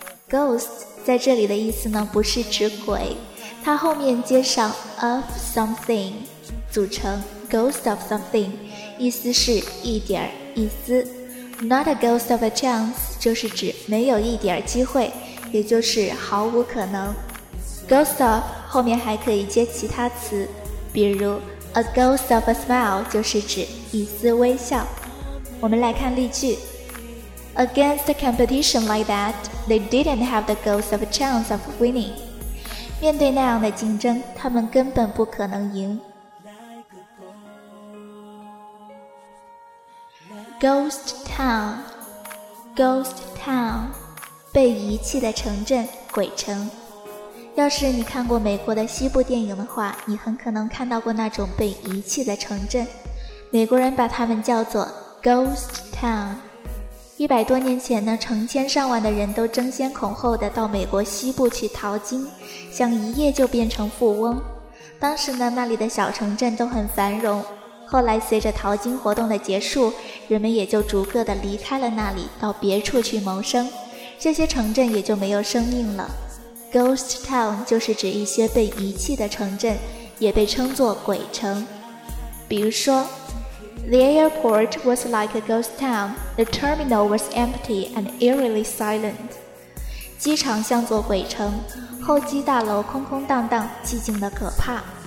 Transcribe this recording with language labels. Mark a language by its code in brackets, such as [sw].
[zh] Ghost 在这里的意思呢，不是指鬼，它后面接上 of something 组成 [en] ghost of something， [zh] 意思是一点一丝。 [en] Not a ghost of a chance [zh] 就是指没有一点机会，也就是毫无可能。 Ghost of 后面还可以接其他词，比如 [en] a ghost of a smile [zh] 就是指一丝微笑。我们来看例句。 [en] Against a competition like that, they didn't have the ghost of a chance of winning. [zh] 面对那样的竞争，他们根本不可能赢。 Ghost town, Ghost Town， 被遗弃的城镇鬼城。要是你看过美国的西部电影的话，你很可能看到过那种被遗弃的城镇，美国人把它们叫做 Ghost Town。 100多年前呢，成千上万的人都争先恐后的到美国西部去淘金，想一夜就变成富翁。当时呢，那里的小城镇都很繁荣，后来随着淘金活动的结束，人们也就逐个的离开了那里，到别处去谋生，这些城镇也就没有生命了。 Ghost Town 就是指一些被遗弃的城镇，也被称作鬼城。比如说， [en] The airport was like a ghost town. The terminal was empty and eerily silent. [zh] 机场像座鬼城，候机大楼空空荡荡，寂静的可怕。